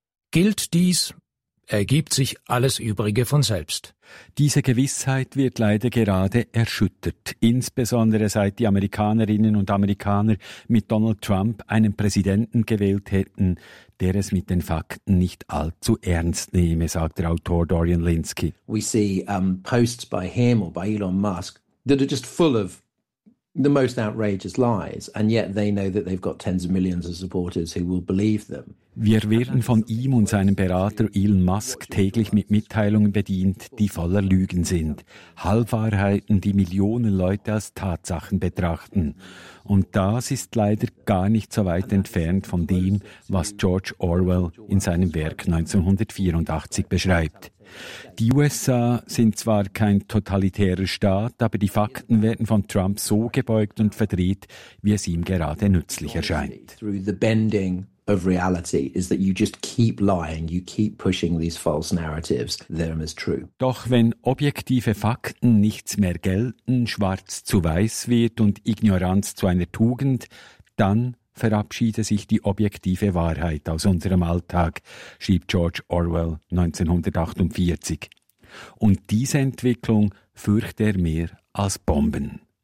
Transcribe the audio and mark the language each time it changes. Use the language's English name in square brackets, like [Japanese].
[German] Gilt dies, ergibt sich alles Übrige von selbst. Diese Gewissheit wird leider gerade erschüttert, insbesondere seit die Amerikanerinnen und Amerikaner mit Donald Trump einen Präsidenten gewählt hätten, der es mit den Fakten nicht allzu ernst nehme, sagt der Autor Dorian Linsky. [English] We see posts by him or by Elon Musk that are just full of the most outrageous lies, and yet they know that they've got tens of millions of supporters who will believe them. [German] Wir werden von ihm und seinem Berater Elon Musk täglich mit Mitteilungen bedient, die voller Lügen sind. Halbwahrheiten, die Millionen Leute als Tatsachen betrachten. Und das ist leider gar nicht so weit entfernt von dem, was George Orwell in seinem Werk 1984 beschreibt. Die USA sind zwar kein totalitärer Staat, aber die Fakten werden von Trump so gebeugt und verdreht, wie es ihm gerade nützlich erscheint. [English] Of reality is that you just keep lying, you keep pushing these false narratives, them as true. [German] Doch wenn objektive Fakten nichts mehr gelten, schwarz zu weiß wird und Ignoranz zu einer Tugend, dann verabschiede sich die objektive Wahrheit aus unserem Alltag, schrieb George Orwell 1948. Und diese Entwicklung fürchte er mehr als Bomben.